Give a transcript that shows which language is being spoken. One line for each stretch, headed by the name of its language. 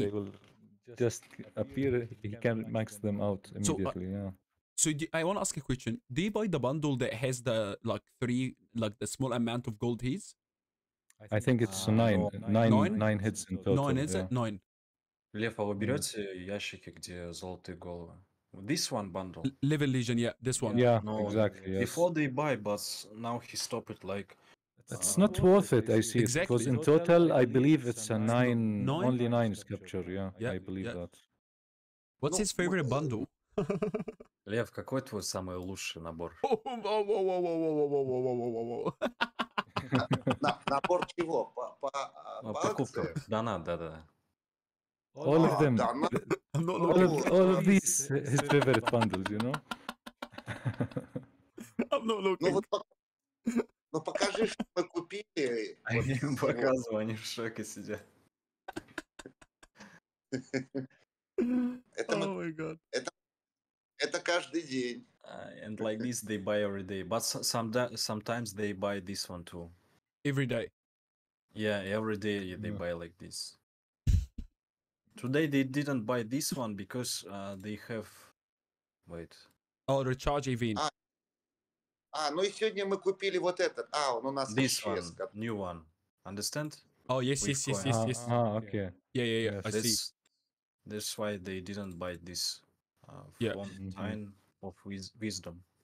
English: They will just appear, he can max them out immediately, So I want to ask a question. Do you buy the bundle that has the like three, like the small amount of gold heads? I think it's nine heads in total. Nine, is it? Nine.
Russian: Лев, а вы берете ящики, где золотые головы?
English: This one bundle. Level Legion, yeah, this one. Yeah, no, exactly. Yes. Before they buy, but now he stopped it, like... It's not worth it, I see. Exactly. Because in total, I believe it's a nine sculpture, yeah. I believe that. What's his favorite bundle?
Russian: Лев, какой твой самый лучший набор? Набор чего? Покупка. Да.
English: All of them. All of these his favorite bundles, you know. I'm not looking.
Russian: Ну покажи, что мы купили. Они показывают, они в шоке сидят. Это мы. Это каждый день.
English: And like this, they buy every day. But sometimes they buy this one too. Every day. Yeah, every day they buy like this. Today they didn't buy this one because they have... Wait. Oh, recharge event.
Russian: Ну и сегодня мы купили вот этот. А, он у нас...
English: This one, new one. Understand? Oh, yes. Okay. Yeah, I see. That's why they didn't buy this. From time of wisdom.